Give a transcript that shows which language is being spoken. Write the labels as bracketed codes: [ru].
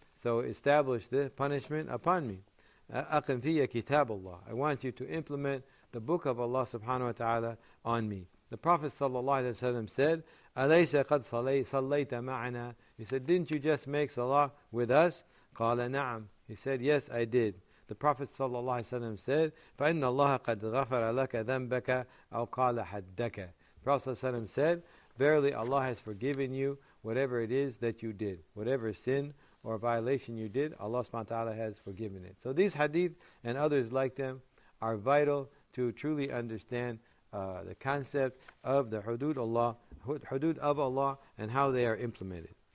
[en] So establish the punishment upon me. [ar] أَقِمْ فِيَّ كِتَابُ اللَّهِ. [en] I want you to implement the book of Allah subhanahu wa ta'ala on me. The Prophet sallallahu alayhi wa sallam said, [ar] أَلَيْسَ قَدْ صَلَّيْتَ مَعْنَا. [en] He said, didn't you just make Salah with us? [ar] قَالَ نَعَمْ. [en] He said, yes, I did. The Prophet sallallahu alayhi wa sallam said, [ar] فَإِنَّ اللَّهَ قَدْ غَفَرَ لَكَ ذَنْبَكَ أَوْ قَالَ حَدَّكَ. [en] The Prophet sallallahu alayhi wa sallam said, verily Allah has forgiven you whatever it is that you did. Whatever sin or violation you did, Allah subhanahu wa ta'ala has forgiven it. So these hadith and others like them are vital to truly understand the concept of the hudud Allah, hudud of Allah, and how they are implemented.